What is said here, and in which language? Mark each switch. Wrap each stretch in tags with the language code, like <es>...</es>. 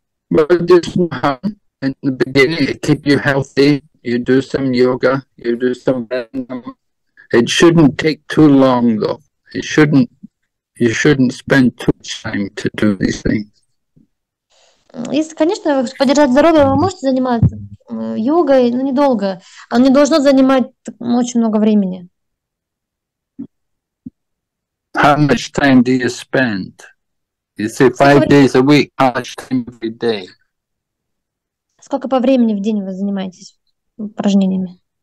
<en>Keep you healthy, you do some yoga, you do some It shouldn't take too long, though. It shouldn't, you shouldn't spend too much time to do these things.</en> <ru>Если, конечно, поддержать здоровье, вы можете заниматься йогой, но недолго. Оно не должно занимать очень много времени.</ru> <en>How much time do you spend? You say five days a week, how much time every day?</en> <ru>Сколько по времени в день вы занимаетесь упражнениями?</ru>